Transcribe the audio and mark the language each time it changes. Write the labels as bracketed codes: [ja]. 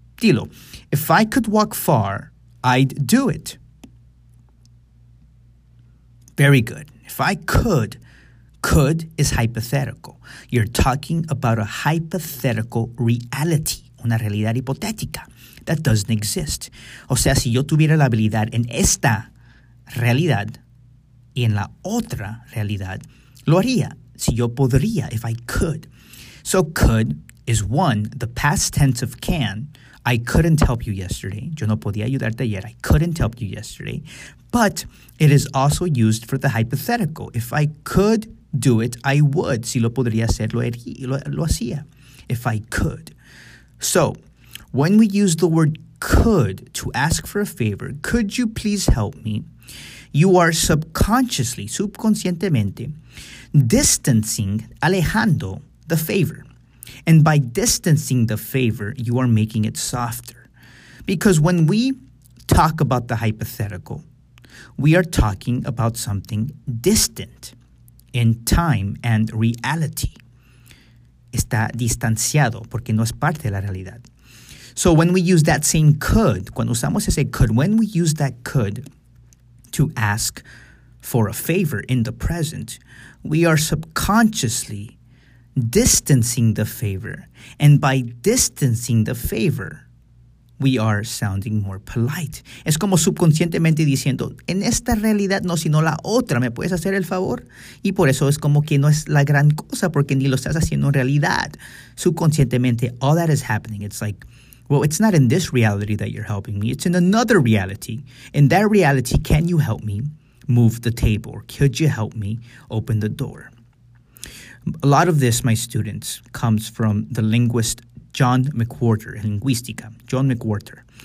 [es] Dilo, [en] if I could walk far, I'd do it. Very good. If I could is hypothetical. You're talking about a hypothetical reality, [es] una realidad hipotética, [en] that doesn't exist. [es] O sea, si yo tuviera la habilidad en esta realidad y en la otra realidad, lo haría. Si yo podría, [en] if I could. So could is one, the past tense of can. I couldn't help you yesterday. [es] Yo no podía ayudarte ayer. [en] I couldn't help you yesterday. But it is also used for the hypothetical. If I could do it, I would. [es] Si lo podría hacer, lo hacía. [en] If I could. So when we use the word could to ask for a favor, could you please help me? You are subconsciously, subconscientemente, distancing, alejando the favor. And by distancing the favor, you are making it softer. Because when we talk about the hypothetical, we are talking about something distant in time and reality. [es] Está distanciado porque no es parte de la realidad. [en] So when we use that same could, [es] cuando usamos ese could, [en] when we use that could to ask for a favor in the present, we are subconsciously distancing the favor. And by distancing the favor, we are sounding more polite. [es] Es como subconscientemente diciendo, en esta realidad no, sino la otra, ¿me puedes hacer el favor? Y por eso es como que no es la gran cosa, porque ni lo estás haciendo en realidad. [en] Subconscientemente, all that is happening. It's like, well, it's not in this reality that you're helping me. It's in another reality. In that reality, can you help me move the table? Could you help me open the door? A lot of this, my students, comes from the linguist John McWhorter, Linguistica, John McWhorter.